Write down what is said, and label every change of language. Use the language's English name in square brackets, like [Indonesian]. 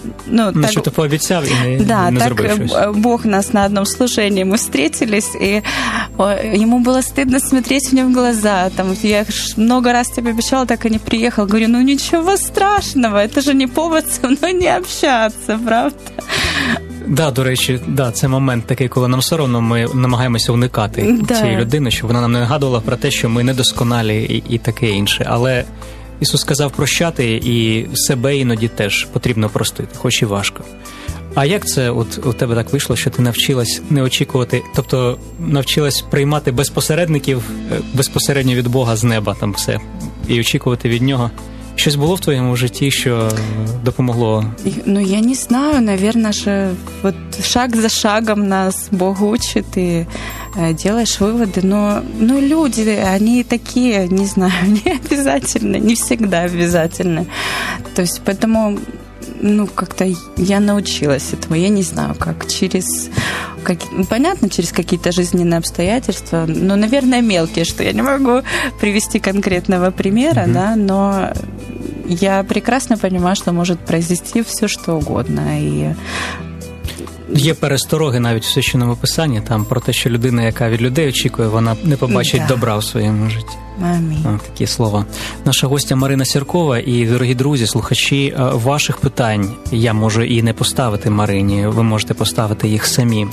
[Russian] Ну, так, что-то пообещал, и не, да, [Ukrainian] не зробил. Да, так щось. [Russian] Бог нас на одном служении, мы встретились, и ему было стыдно смотреть мне в глаза. Там, я много раз тебе обещала, так и не приехал. Говорю, ну, ничего страшного, это же не повод со мной не общаться, правда? [Ukrainian] Да, до речі, да, це момент такий, коли нам соромно, ми намагаємося уникати да. цієї людини, щоб вона нам не нагадувала про те, що ми недосконалі і таке інше. Але Ісус сказав прощати, і себе іноді теж потрібно простити, хоч і важко. А як це от у тебе так вийшло, що ти навчилась не очікувати, тобто навчилась приймати без посередників, безпосередньо від Бога з неба там все, і очікувати від Нього? Щось було в твоєму житті, що допомогло? Ну, я не знаю, [Russian] наверное, [Ukrainian] що от [Russian] шаг за шагом [Ukrainian] нас Бог учить і делаєш виводи, но ну, люди, вони такі, не знаю, не обов'язково, не завжди обов'язково. [Russian] Тобто, поэтому ну, как-то я научилась этому. Я не знаю, как через... Как, понятно, через какие-то жизненные обстоятельства, но, наверное, мелкие, что я не могу привести конкретного примера, mm-hmm. да, но я прекрасно понимаю, что может произойти все, что угодно. И... [Ukrainian] Є перестороги навіть в Священному Писанні там про те, що людина, яка від людей очікує, вона не побачить добра в своєму житті. Амінь. Такі слова. Наша гостя Марина Сіркова і, дорогі друзі, слухачі, ваших питань я можу і не поставити Марині, ви можете поставити їх самі.